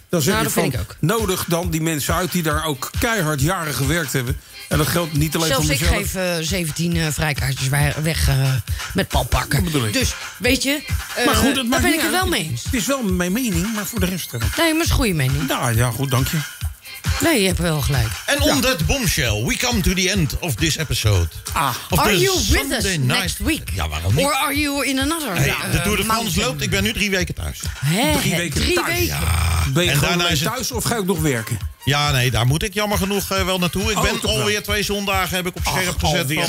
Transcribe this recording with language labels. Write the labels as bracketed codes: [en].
[nl] Dan zeg ik van, nodig dan die mensen uit die daar ook keihard jaren gewerkt hebben. En dat geldt niet alleen zelfs voor mezelf. Zelfs ik geef 17 vrijkaartjes weg met Paul Parker. Dus, weet je, maar goed, dat daar ben niet ik het wel mee eens. Het is wel mijn mening, maar voor de rest... Nee, maar het is een goede mening. Ja, goed, dank je. Nee, je hebt wel gelijk. [en] En on that bombshell, we come to the end of this episode. Are you with us next week? [nl] Ja, waarom niet? [en] Or are you in another? [nl] Nee, de Tour de France loopt, ik ben nu 3 weken thuis. Drie weken thuis? Ja. Ben je en gewoon thuis of ga ik nog werken? Ja, nee, daar moet ik jammer genoeg wel naartoe. Ik ben alweer 2 zondagen heb ik op scherp gezet.